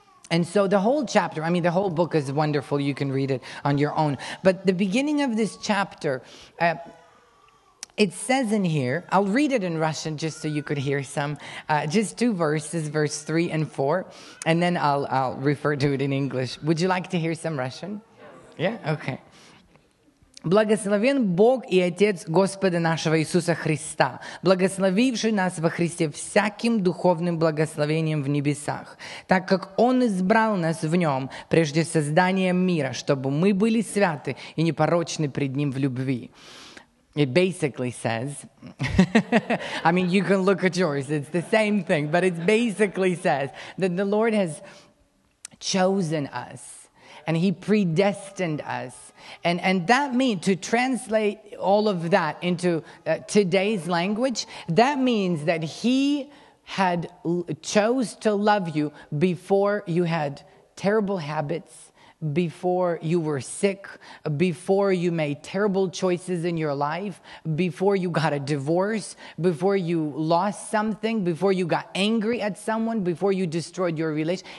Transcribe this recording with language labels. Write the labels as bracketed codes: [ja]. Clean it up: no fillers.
[en] And so the whole chapter, I mean, the whole book is wonderful. You can read it on your own. But the beginning of this chapter, it says in here, I'll read it in Russian just so you could hear some, just two verses, verse 3 and 4, and then I'll refer to it in English. Would you like to hear some Russian? Yeah? Okay. [ru] Благословен Бог и Отец Господа нашего Иисуса Христа, благословивший нас во Христе всяким духовным благословением в небесах, так как Он избрал нас в Нем прежде создания мира, чтобы мы были святы и непорочны пред Ним в любви. [en] It basically says, I mean, you can look at yours, it's the same thing, but it basically says that the Lord has chosen us. and he predestined us. And that means, to translate all of that into today's language, that means that he had chose to love you before you had terrible habits, before you were sick, before you made terrible choices in your life, before you got a divorce, before you lost something, before you got angry at someone, before you destroyed your relationship.